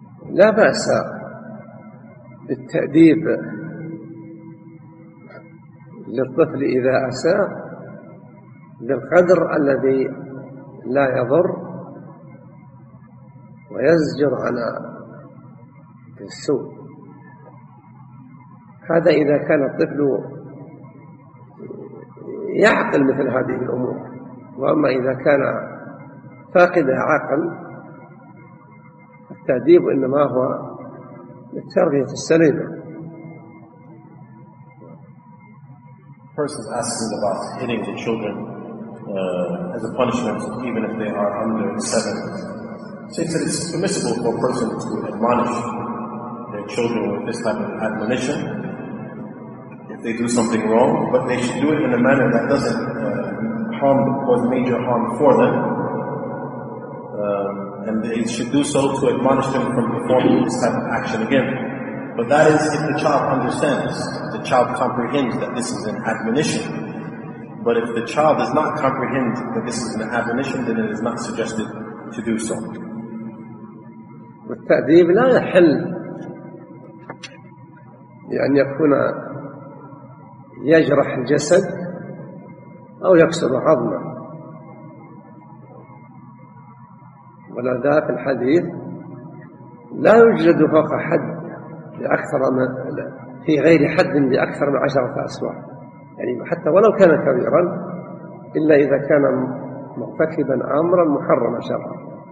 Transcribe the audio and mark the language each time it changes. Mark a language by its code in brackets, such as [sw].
[ar] لا بأس بالتأديب للطفل إذا أساء بالقدر الذي لا يضر ويزجر على السوء، هذا إذا كان الطفل يعقل مثل هذه الأمور، وأما إذا كان فاقد عقل التأديب إنما هو للتربية السليمة. [en] Person is asking about hitting the children as a punishment even if they are under 7. So he said it's permissible for a person to admonish their children with this type of admonition if they do something wrong, but they should do it in a manner that doesn't harm, cause major harm for them, and they should do so to admonish them from performing this type of action again. But that is if the child understands, the child comprehends that this is an admonition. But if the child does not comprehend that this is an admonition, then it is not suggested to do so. [ar] والتأديب لا يحل بأن يكون يجرح الجسد أو يكسر عظمه، ولذا في الحديث لا يوجد فوق حد لأكثر من في غير حد لأكثر من 10 أصابع، يعني حتى ولو كان كبيرا إلا إذا كان مرتكبا أمرا محرما شرعا.